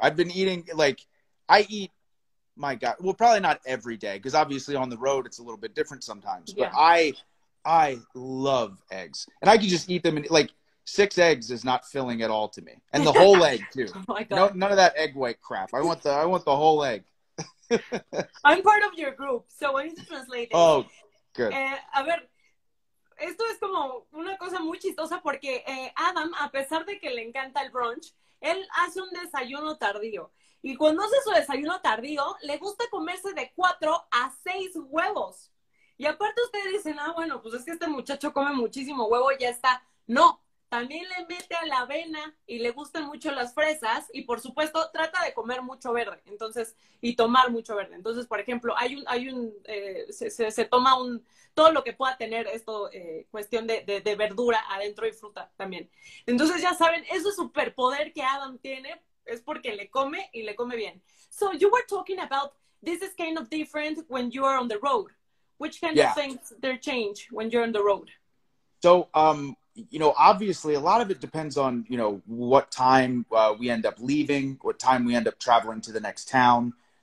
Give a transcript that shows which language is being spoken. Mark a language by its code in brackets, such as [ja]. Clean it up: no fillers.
[en] I've been eating like I eat my God, well, probably not every day, because obviously on the road it's a little bit different sometimes. But Yeah. I love eggs, and I can just eat them. And like 6 eggs is not filling at all to me, and the whole egg too. Oh my No, God. none of that egg white crap. I want the whole egg. I'm part of your group, so I need to translate this. Oh, good. [es] A ver, esto es como una cosa muy chistosa porque Adam, a pesar de que le encanta el brunch, él hace un desayuno tardío. Y cuando hace su desayuno tardío, le gusta comerse de 4 a 6 huevos. Y aparte ustedes dicen, ah, bueno, pues es que este muchacho come muchísimo huevo y ya está. No, también le mete a la avena y le gustan mucho las fresas y por supuesto trata de comer mucho verde, entonces, y tomar mucho verde. Entonces, por ejemplo, se toma un todo lo que pueda tener esto, cuestión de verdura adentro y fruta también. Entonces, ya saben, ese superpoder que Adam tiene es porque le come y le come bien. [en] So you were talking about this is kind of different when you are on the road. Which kind of Yeah. things they change when you're on the road? So, obviously a lot of it depends on, what time we end up leaving, what time we end up traveling to the next town.